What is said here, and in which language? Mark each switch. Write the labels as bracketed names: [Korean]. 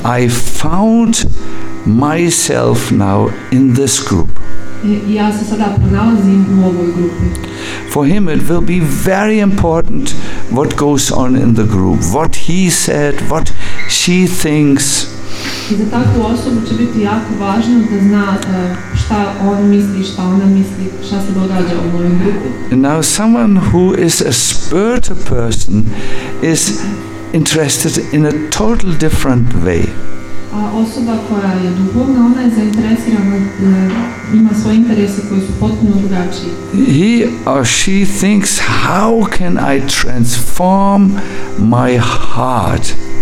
[English] I found myself now in this group. [Serbian] Ja se sada pronalazim u ovoj grupi. [English] For him it will be very important what goes on in the group, what he said, what she thinks. [Serbian] I za takvu osobu će biti jako važno da zna šta on misli, šta ona misli, šta se događa u mojoj grupi. [English] Now someone who is a spiritual person is interested in a totally different way. [Serbian] A osoba koja je duhovna, ona je zainteresirana, ima svoje interese koji su potpuno drugačiji. [English] He or she thinks, how can I transform my heart?